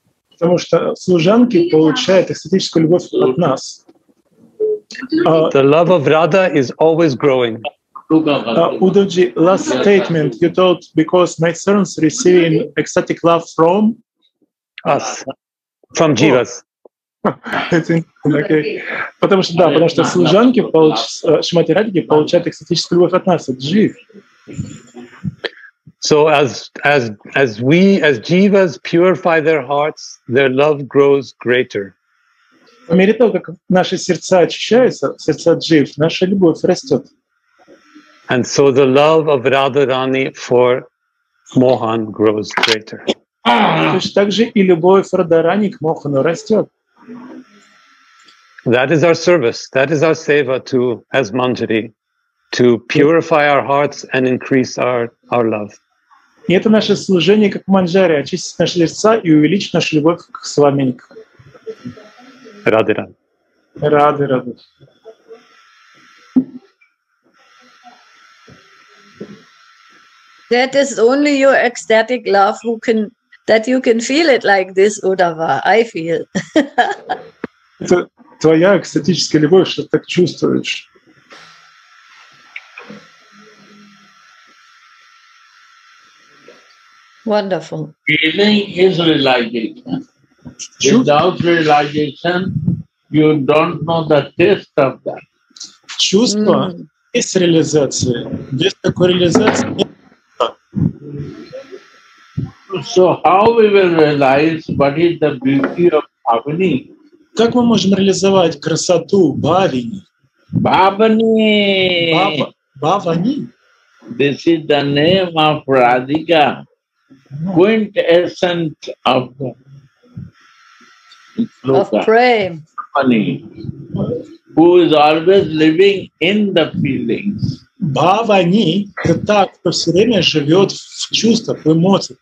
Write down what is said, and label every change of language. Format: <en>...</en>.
<ru>Потому что служанки получают экстатическую любовь от нас.</ru> <en>The love of Radha is always growing. Udoji, last statement you told, because my servants receiving ecstatic love from us, from jivas. Okay.</en> <ru>Потому что да, потому что служанки Шимати Радхики получают экстатическую любовь от нас, от жив.</ru> <en>So as jivas purify their hearts, their love grows greater.</en> <ru>По мере того, как наши сердца очищаются, сердца джив, наша любовь растет.</ru> <en>And so the love of Radharani for Mohan grows greater.</en> <ru>Так же и любовь Радхарани к Мохану растет.</ru> <en>That is our service. That is our seva to, as Manjari, to purify our hearts and increase our love.</en> <ru>И это наше служение как Манджари, очистить наши сердца и увеличить нашу любовь к с вами.</ru> <en>Radharani. Radharani. That is only your ecstatic love who can, that you can feel it like this, Uddhava, I feel.</en> <ru>Это твоя экстатическая любовь, что ты так чувствуешь.</ru> <en>Wonderful. Feeling is realization. Without realization, you don't know the taste of that.</en> <ru>Чувство есть реализация. Без такой реализации нет.</ru> <en>So how we will realize what is the beauty of bhavani?</en> <ru>Как мы можем реализовать красоту бхавани? Бхавани. Бхавани.</ru> <en>This is the name of Radhika, quintessence of prem. Bhavani, who is always living in the feelings.</en> <ru>Бхавани — это та, кто все время живет в чувствах, в эмоциях, в</ru>